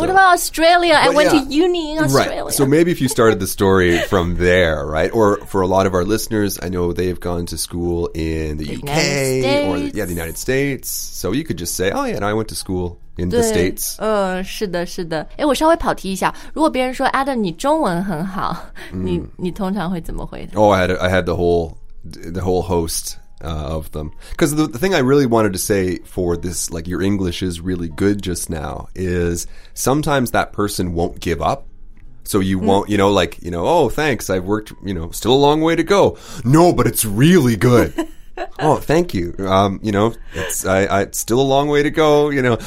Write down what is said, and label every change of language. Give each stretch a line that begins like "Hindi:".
English: What about Australia? I went to uni in Australia. Right. So maybe if you started the story from there, right? Or for a lot of our listeners, I know they've gone to school in the UK. The United States. So you could just say, and I went to school in the States.
Chinese: 是的是的。诶我稍微跑题一下。如果别人说 Adam, 你中文很好、你通常会怎么回答
English: I had the whole host. Of them. Because the thing I really wanted to say for this, like your English is really good just now, is sometimes that person won't give up. So you won't, you know, like, you know, thanks, I've worked, you know, still a long way to go. No, but it's really good. thank you. You know, it's still a long way to go, you know.